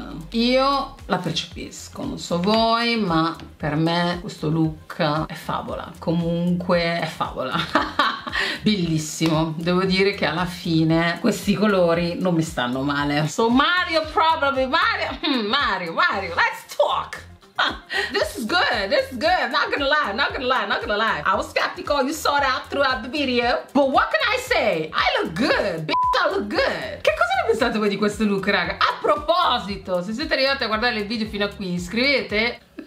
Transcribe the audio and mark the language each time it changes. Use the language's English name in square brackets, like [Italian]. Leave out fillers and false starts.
[Italian] Io la percepisco, non so voi, ma per me questo look è favola. Comunque è favola. Bellissimo. Devo dire che alla fine questi colori non mi stanno male. [English] So Mario, probably Mario, let's fuck. This is good, this is good. Not gonna lie, not gonna lie, not gonna lie. I was skeptical, you saw that throughout the video. But what can I say? I look good, bitch, I look good. [Italian] Che cosa ne pensate voi di questo look, raga? A proposito, se siete arrivati a guardare il video fino a qui, iscrivete.